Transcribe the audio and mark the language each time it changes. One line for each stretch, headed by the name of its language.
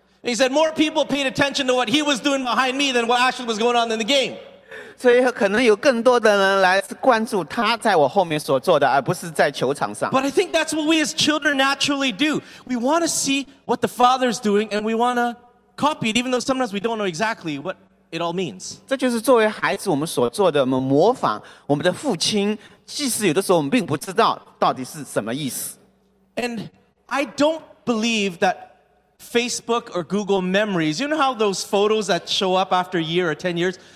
English: He said more people paid attention to what he was doing behind me than what actually was going on in the game.
Chinese: 所以可能有更多的人来关注他在我后面所做的，而不是在球场上。
English: But I think that's what we as children naturally do. We want to see what the Father's doing, and we want to copy it, even though sometimes we don't know exactly what it all means.
Chinese: 这就是作为孩子我们所做的，我们模仿我们的父亲，即使有的时候我们并不知道到底是什么意思。
English: And I don't believe that Facebook or Google Memories, you know how those photos that show up after a year or 10 years?